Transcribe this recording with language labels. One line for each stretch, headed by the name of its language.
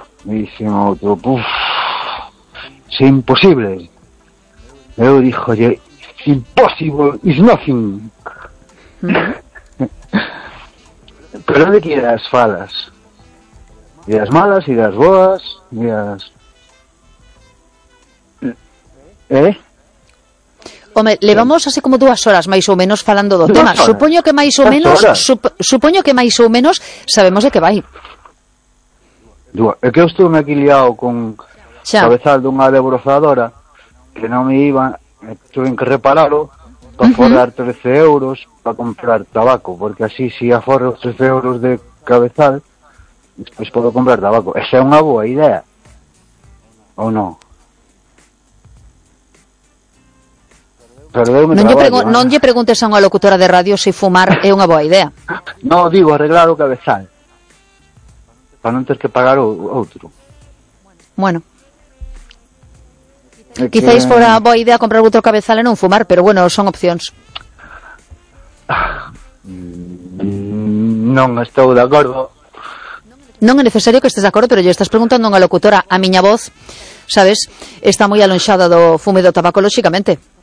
Spanish: Me dicen otro, ¡puf! ¡Es imposible! Yo dijo, oye,
English: ¡impossible is nothing!
Galician: ¿Pero de qué ideas falas? ¿Ideas malas, ideas boas, ideas...? ¿Eh? Hombre, le vamos así como 2 horas, máis ou menos, falando do tema. Supoño que máis ou menos, supoño que máis ou menos sabemos de que vai. É que eu estuve aquí liado con cabezal dunha debrozadora que non me iba, tuve que repararlo para forrar 13 euros para comprar tabaco, porque así si aforro 13 euros de cabezal, despois podo comprar tabaco. Esa é unha boa idea, ou non? Non lle preguntes a unha locutora de radio se fumar é unha boa idea. No, digo, arreglar o cabezal. Para non ter que pagar outro. Bueno. Quizáis fora boa idea comprar outro cabezal e non fumar, pero bueno, son opcións. Non estou de acordo. Non é necesario que estés de acordo, pero lle estás preguntando a unha locutora. A miña voz, sabes, está moi alonxada do fume do tabaco, lógicamente.